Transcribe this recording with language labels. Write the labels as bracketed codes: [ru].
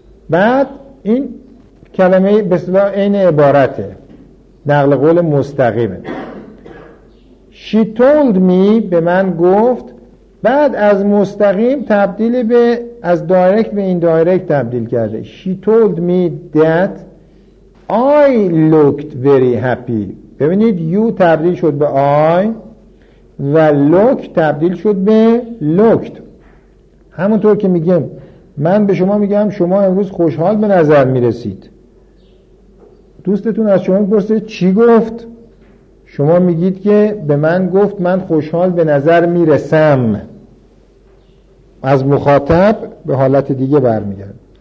[fa] بعد این کلمه به اصطلاح این عبارته، نقل قول مستقیمه. [en] She told me، [fa] به من گفت. بعد از مستقیم تبدیل به، از دایرکت به این دایرکت تبدیل کرده. [en] She told me that I looked very happy. [fa] ببینید you تبدیل شد به I و look تبدیل شد به looked. همونطور که میگم من به شما میگم شما امروز خوشحال به نظر میرسید، دوستتون از شما پرسه چی گفت، شما میگید که به من گفت من خوشحال به نظر میرسم، از مخاطب به حالت دیگه برمیگرد.